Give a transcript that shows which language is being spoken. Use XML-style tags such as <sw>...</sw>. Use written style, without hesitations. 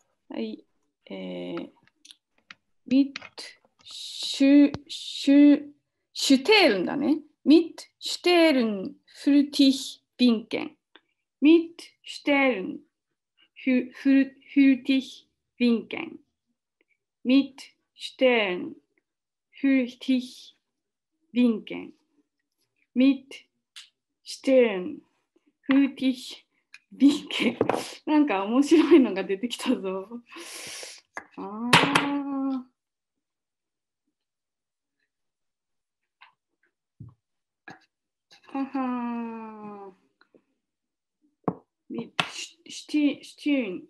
<ja>はい。ミッチュシュテルンだね。ミッチュステルンフルティヒビンケン。ミッチュステルンフルティヒビンケン。</ja> <de>Mit Stern für dich winken. Mit Stern für dich winken.</de> <ja>なんか面白いのが出てきたぞ。ははー。</ja> <de>Stern。</de>